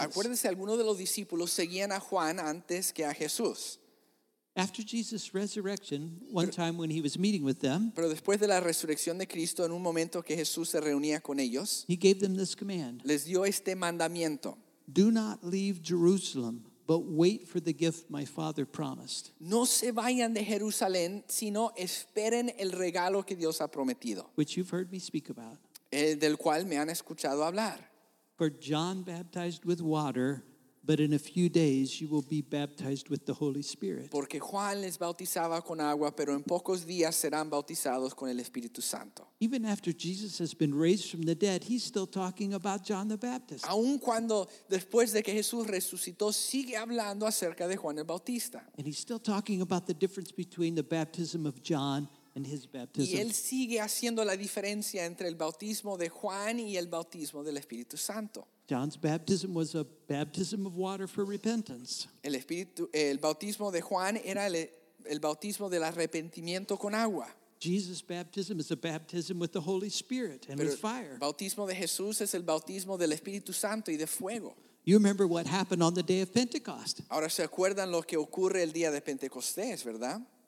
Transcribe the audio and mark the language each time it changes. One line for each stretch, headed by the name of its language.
Spanish: Acuérdense, algunos de los discípulos seguían a Juan antes que a Jesús.
English: After Jesus' resurrection, one time when he was meeting with them,
Spanish: pero después de la resurrección de Cristo, en un momento que Jesús se reunía con ellos,
English: he gave them this command.
Spanish: Les dio este mandamiento.
English: Do not leave Jerusalem, but wait for the gift my Father promised.
Spanish: No se vayan de Jerusalén, sino esperen el regalo que Dios ha prometido.
English: Which you've heard me speak about.
Spanish: Del cual me han escuchado hablar.
English: For John baptized with water, but in a few days you will be baptized with the Holy Spirit.
Spanish: Porque Juan les bautizaba con agua, pero en pocos días serán bautizados con el Espíritu Santo.
English: Even after Jesus has been raised from the dead, he's still talking about John the Baptist.
Spanish: Aun cuando después de que Jesús resucitó, sigue hablando acerca de Juan el Bautista.
English: And he's still talking about the difference between the baptism of John and his baptism.
Spanish: Y él sigue haciendo la diferencia entre el bautismo de Juan y el bautismo del Espíritu Santo.
English: John's baptism was a baptism of water for repentance.
Spanish: El bautismo de Juan era el bautismo del arrepentimiento con agua.
English: Jesus' baptism is a baptism with the Holy Spirit and with fire.
Spanish: Bautismo de Jesús es el bautismo del Espíritu Santo y de fuego.
English: You remember what happened on the day of Pentecost.
Spanish: Ahora se acuerdan lo que ocurre el día de Pentecostés, ¿verdad?